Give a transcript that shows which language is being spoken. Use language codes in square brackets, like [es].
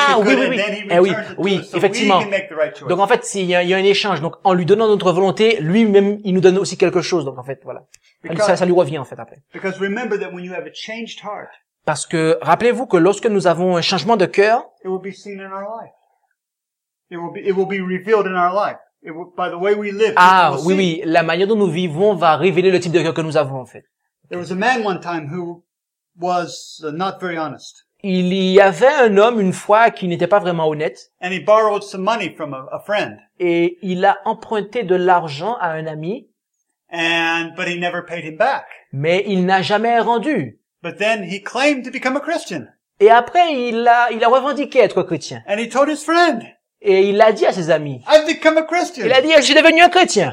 [en] He makes it good, and then he returns it to us, so [fr] effectivement. [en] We can make the right choice. [fr] Donc en fait, il y a un échange. Donc en lui donnant notre volonté, lui-même, il nous donne aussi quelque chose. Donc en fait, voilà. [en] Because, [fr] ça lui revient en fait après. [en] Because remember that when you have a changed heart, [fr] parce que rappelez-vous que lorsque nous avons un changement de cœur, [en] it will be seen in our life. It will be revealed in our life. By the way we live. [fr] Ah oui oui, la manière dont nous vivons va révéler le type de cœur que nous avons en fait. [en] There was a man one time who was not very honest. [fr] Il y avait un homme une fois qui n'était pas vraiment honnête. [en] And he borrowed some money from a friend. [fr] Et il a emprunté de l'argent à un ami. [en] But he never paid him back. [fr] Mais il n'a jamais rendu. [en] But then he claimed to become a Christian. [fr] Et après il a revendiqué être chrétien. [en] And he told his friend. [fr] Et il a dit à ses amis. [en] I've become a Christian. [fr] Il a dit, je suis devenu un chrétien.